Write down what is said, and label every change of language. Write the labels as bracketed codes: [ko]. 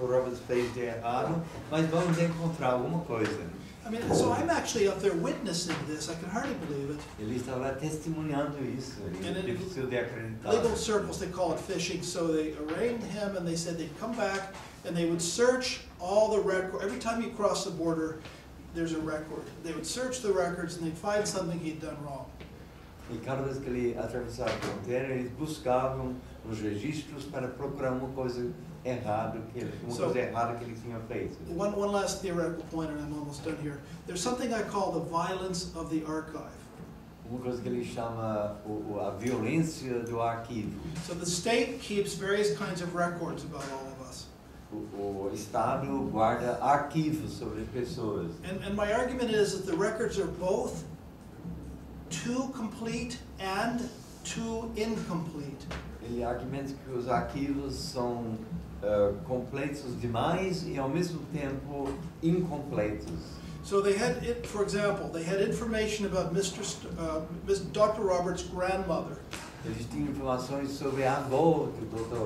[pt] Roberts fez de errado, mas vamos encontrar alguma coisa. [en] I mean, so I'm actually up there witnessing this. I can hardly believe it. [pt] Ele está lá testemunhando isso. É difícil de acreditar. [en] Legal circles, they call it fishing. So they arraigned him, and they said they'd come back, and they would search all the records. Every time you cross the border, there's a record. They would search the records, and they'd find something he'd done wrong. [pt] E cada vez que ele atravessava a fronteira, eles buscavam os registros para procurar uma coisa errada que ele tinha feito. [en] One last theoretical point, and I'm almost done here. There's something I call the violence of the archive. [pt] Uma coisa que ele chama a violência do arquivo. [en] So the state keeps various kinds of records about all of us. [pt] O Estado guarda arquivos sobre pessoas. [en] And my argument is that the records are both too complete and too incomplete. [pt] Ele argumenta que os arquivos são completos demais e ao mesmo tempo incompletos. [en] So they had, for example, they had information about Dr. Roberts' grandmother. [pt] Eles tinham informações sobre a avó do Dr.